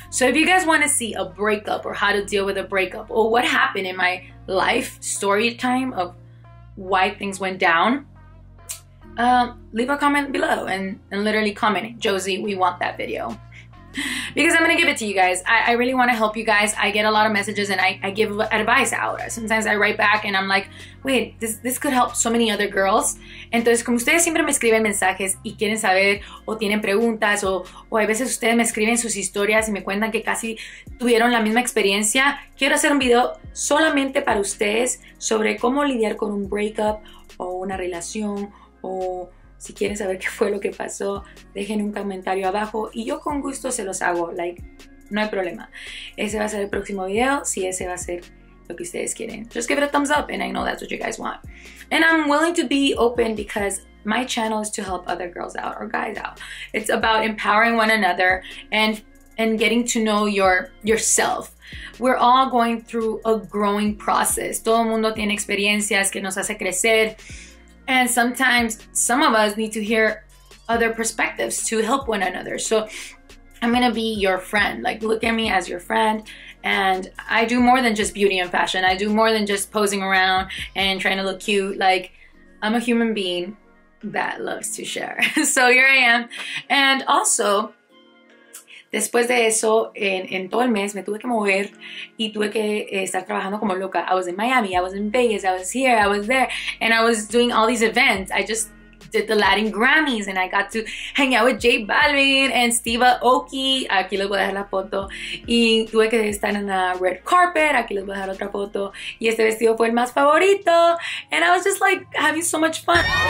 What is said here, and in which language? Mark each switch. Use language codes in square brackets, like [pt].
[en] So if you guys want to see a breakup or how to deal with a breakup or what happened in my life story time of why things went down, leave a comment below and literally comment, Jossie, we want that video. Because I'm gonna give it to you guys. I really want to help you guys. I get a lot of messages and I give advice out. Sometimes I write back and I'm like, wait, this could help so many other girls. [es] Entonces, como ustedes siempre me escriben mensajes y quieren saber o tienen preguntas o hay veces ustedes me escriben sus historias y me cuentan que casi tuvieron la misma experiencia, quiero hacer un video solamente para ustedes sobre cómo lidiar con un breakup o una relación o... Si quieren saber qué fue lo que pasó, dejen un comentario abajo y yo con gusto se los hago, like, no hay problema. Ese va a ser el próximo video, si ese va a ser lo que ustedes quieren. [en] Just give it a thumbs up and I know that's what you guys want. And I'm willing to be open because my channel is to help other girls out or guys out. It's about empowering one another and getting to know yourself. We're all going through a growing process. [es] Todo el mundo tiene experiencias que nos hace crecer. [en] And sometimes some of us need to hear other perspectives to help one another. So I'm gonna be your friend, like look at me as your friend. And I do more than just beauty and fashion. I do more than just posing around and trying to look cute. Like I'm a human being that loves to share. So here I am. And also, [es] después de eso, en todo el mes me tuve que mover y tuve que estar trabajando como loca. [en] I was in Miami, I was in Vegas, I was here, I was there, and I was doing all these events. I just did the Latin Grammys and I got to hang out with J Balvin and Steve Aoki. [es] Aquí les voy a dejar la foto. Y tuve que estar en la red carpet. Aquí les voy a dejar otra foto. Y este vestido fue el más favorito. [en] And I was just like having so much fun.